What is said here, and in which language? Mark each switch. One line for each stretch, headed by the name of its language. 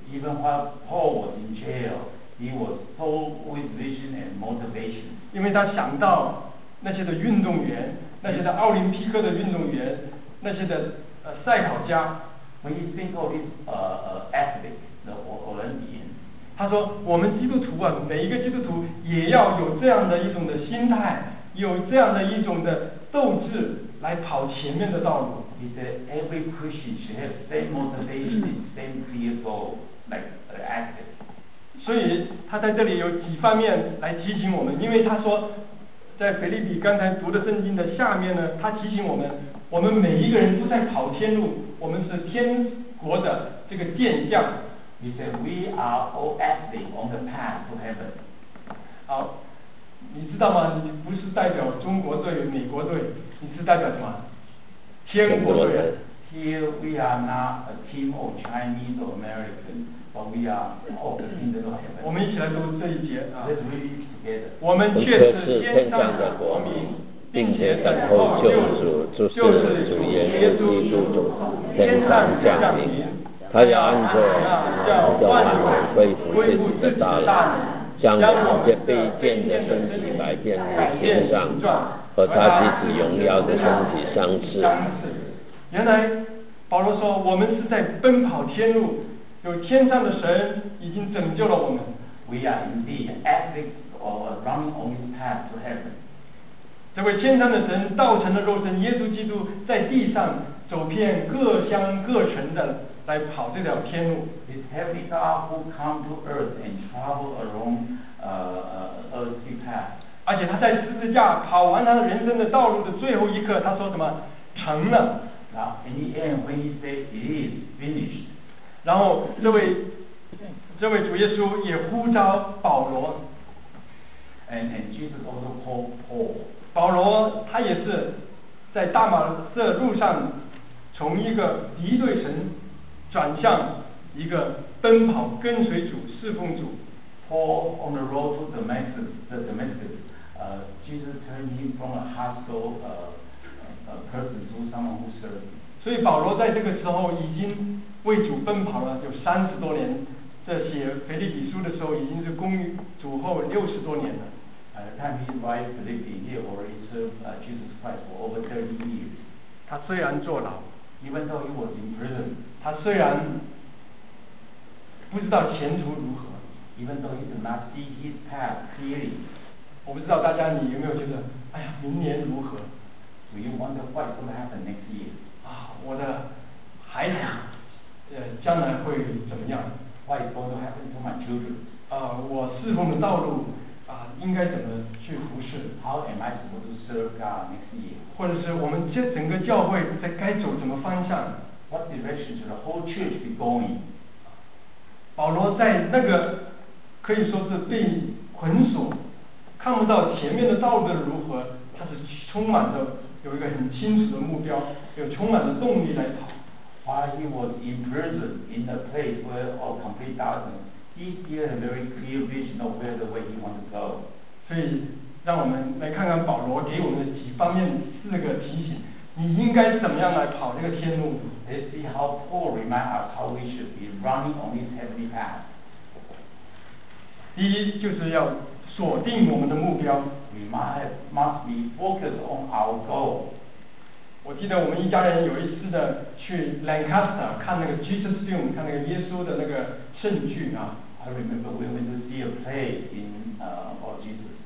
English: Even while Paul was in jail, he was filled with vision and motivation.
Chinese: 因为他想到那些的运动员，那些的奥林匹克的运动员，那些的赛跑家。
English: When he thinks of his athlete, the Olympian,
Chinese: 他说：“我们基督徒啊，每一个基督徒也要有这样的一种的心态，有这样的一种的斗志。” 来跑前面的道路。
English: He said every Christian should have same motivation, same clear goal, like the athlete.
Chinese: 所以他在这里有几方面来提醒我们，因为他说，在腓立比刚才读的圣经的下面呢，他提醒我们，我们每一个人都在跑天路，我们是天国的这个健将。
English: He said we are all athletes on the path to heaven.
Chinese: 好。你知道吗？你不是代表中国队、美国队，你是代表什么？天国队。
English: Here we are not a team of Chinese or American, but we are all in the
Chinese: 我们一起来读这一节啊。
English: Let's read it together.
Chinese: 我们却是天上的国民，并且等候救主，就是主耶稣基督从天上降临。他要按着荣耀范围恢复自己的大能，将我们这卑贱的身体摆遍在天上，和他自己荣耀的身体相似。原来保罗说，我们是在奔跑天路，有天上的神已经拯救了我们。
English: We are indeed athletes or running on his path to heaven.
Chinese: 这位天上的神道成的肉身耶稣基督，在地上走遍各乡各城的来跑这条天路。
English: This heavenly God who come to earth and travel along earthly path.
Chinese: 而且他在十字架跑完他的人生的道路的最后一刻，他说什么？成了。
English: Now, in the end, when he says it is finished,
Chinese: 然后这位主耶稣也呼召保罗
English: ，and Jesus also called Paul.
Chinese: 保罗他也是在大马色路上从一个敌对神转向一个奔跑跟随主侍奉主。
English: Paul on the road to Damascus, Jesus turned him from a hostile person to someone who served.
Chinese: 所以保罗在这个时候已经为主奔跑了有三十多年，这写腓立比书的时候已经是公主后六十多年了。
English: At the time his wife Philippi, he already served Jesus Christ for over 30 years.
Chinese: 他虽然坐牢
English: ，Even though he was in prison,
Chinese: 他虽然不知道前途如何
English: ，Even though he did not see his path clearly.
Chinese: 我不知道大家你有没有觉得，哎呀，明年如何？
English: Do you wonder what's going to happen next year?
Chinese: 啊，我的孩子，将来会怎么样
English: ？What is going to happen to my children?
Chinese: 啊，我侍奉的道路啊，应该怎么去服侍
English: ？How am I supposed to serve God next year?
Chinese: 或者是我们这整个教会在该走什么方向
English: ？What direction should the whole church be going?
Chinese: 保罗在那个可以说是被捆锁，看不到前面的道路的如何，他是充满着。有一个很清楚的目标，有充满的动力来跑。
English: While he was in prison in a place where all complete darkness, he still had a very clear vision of where the way he wanted to go.
Chinese: 所以，让我们来看看保罗给我们的几方面四个提醒，你应该怎么样来跑这个天路。
English: Let's see how Paul reminds us how we should be running on this heavenly path.
Chinese: 第一就是要锁定我们的目标。
English: We must be focused on our goal.
Chinese: 我记得我们一家人有一次的去 Lancaster 看那个 Jesus film， 看那个耶稣的那个圣剧啊。
English: I remember we went to see a play in about Jesus.